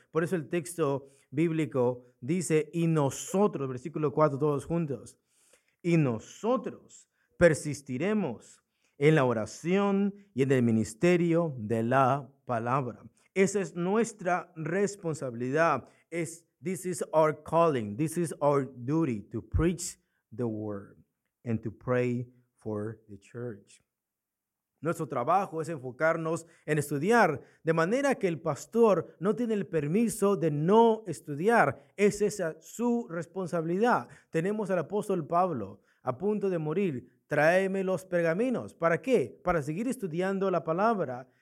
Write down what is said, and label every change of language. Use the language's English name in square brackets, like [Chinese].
[Spanish] Por eso el texto bíblico dice, y nosotros, versículo 4, todos juntos, y nosotros persistiremos en la oración y en el ministerio de la palabra. Esa es nuestra responsabilidad. [English] This is our calling. This is our duty to preach the word and to pray for the church. [Spanish] Nuestro trabajo es enfocarnos en estudiar, de manera que el pastor no tiene el permiso de no estudiar. Es esa su responsabilidad. Tenemos al apóstol Pablo a punto de morir. Tráeme los pergaminos. ¿Para qué? Para seguir estudiando la palabra.